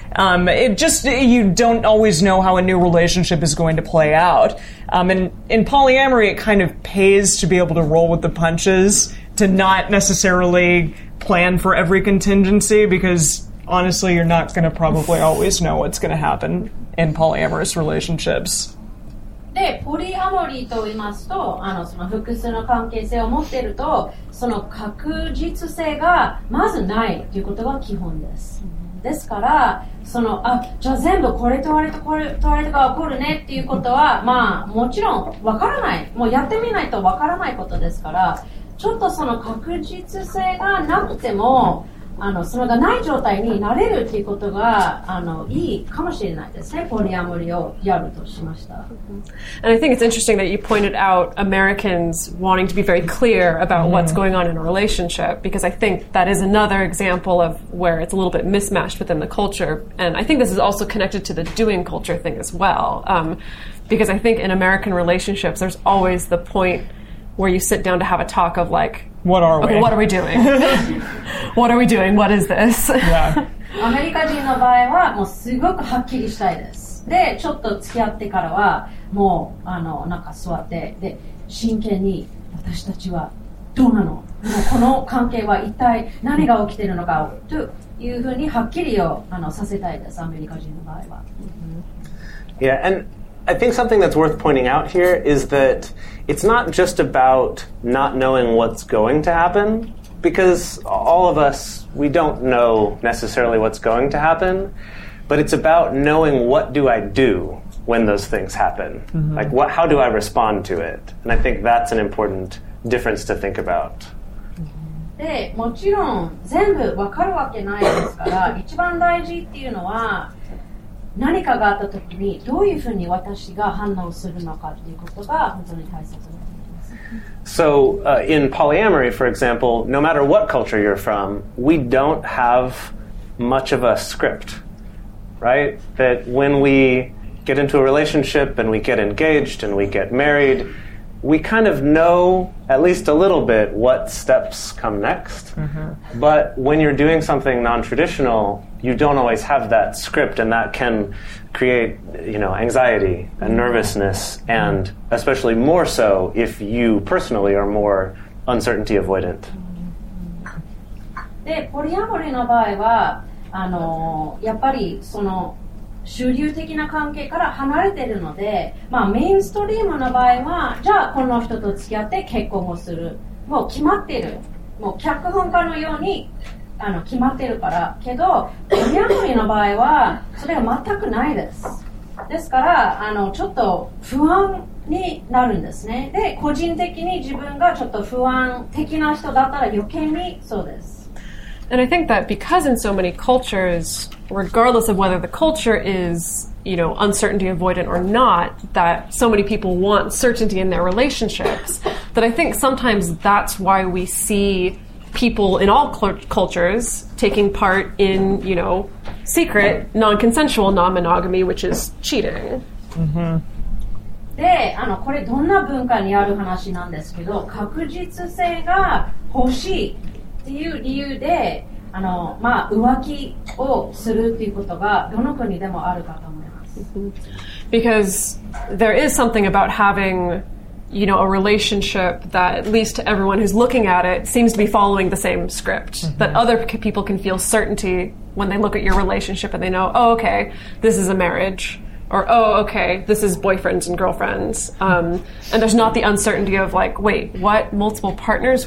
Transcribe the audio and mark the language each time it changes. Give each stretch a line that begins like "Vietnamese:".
English: You don't always know how a new relationship is going to play out. And in polyamory, it kind of pays to be able to roll with the punches, to not necessarily plan for every contingency, because honestly, you're not going to probably always know what's going to happen in polyamorous relationships.
Japanese: で、ポリアモリーと言いますと、その複数の関係性を持っていると、その確実性がまずないということが基本です。ですから、その、あ、じゃあ全部これとあれとこれとあれとが起こるねっていうことは、まあ、もちろんわからない。もうやってみないとわからないことですから、ちょっとその確実性がなくても、それがない状態になれるっていうことがいいかもしれないですね。ポリアモリをやるとしました。
English: And I think it's interesting that you pointed out Americans wanting to be very clear about what's going on in a relationship, because I think that is another example of where it's a little bit mismatched within the culture. And I think this is also connected to the doing culture thing as well. Because I think in American relationships, there's always the point where you sit down to have a talk of like, what are we? Okay, what are we doing? What are we doing? What is this? Yeah.
Japanese: アメリカ人の場合はもうすごくはっきりしたいです。で、ちょっと付き合ってからはもうなんか座ってで、真剣に私たちはどうなの？このこの関係は一体何が起きてるのかというふうにはっきりをさせたいです、アメリカ人の場合は。
English: Yeah, and I think something that's worth pointing out here is that it's not just about not knowing what's going to happen, because all of us, we don't know necessarily what's going to happen, but it's about knowing what do I do when those things happen. Mm-hmm. Like, how do I respond to it? And I think that's an important difference to think about.
Japanese: で、もちろん全部わかるわけないですから、一番大事っていうのは、何かがあった時にどういうふうに私が反応するのかっていうことが本当に大切です。
English: So, in polyamory, for example, no matter what culture you're from, we don't have much of a script, right? That when we get into a relationship and we get engaged and we get married, we kind of know at least a little bit what steps come next. Mm-hmm. But when you're doing something non-traditional, you don't always have that script, and that can create, you know, anxiety and nervousness, and especially more so if you personally are more uncertainty avoidant.
Japanese: で、ポリアモリーの場合は、やっぱりその主流的な関係から離れているので、まあメインストリームの場合は、じゃあこの人と付き合って結婚をする、もう決まっている、もう脚本家のように。決まってるから、けど、ポリアモリーの場合は、それが全くないです。ですから、ちょっと不安になるんですね。で、個人的に自分がちょっと不安的な人だったら余計にそうです。
English: And I think that because in so many cultures, regardless of whether the culture is, you know, uncertainty avoidant or not, that so many people want certainty in their relationships, that I think sometimes that's why we see people in all cultures taking part in, you know, secret, non-consensual, non-monogamy, which is cheating. Mm-hmm.
Japanese: で、これどんな文化にある話なんですけど、確実性が欲しいっていう理由で、まあ、浮気をするっていうことがどの国でもあるかと思います。 Mm-hmm.
English: Because there is something about having, you know, a relationship that at least to everyone who's looking at it seems to be following the same script. Mm-hmm. That other people can feel certainty when they look at your relationship and they know, oh, okay, this is a marriage. or, oh, okay, this is boyfriends and girlfriends. And there's not the uncertainty of, like, wait, what, multiple partners?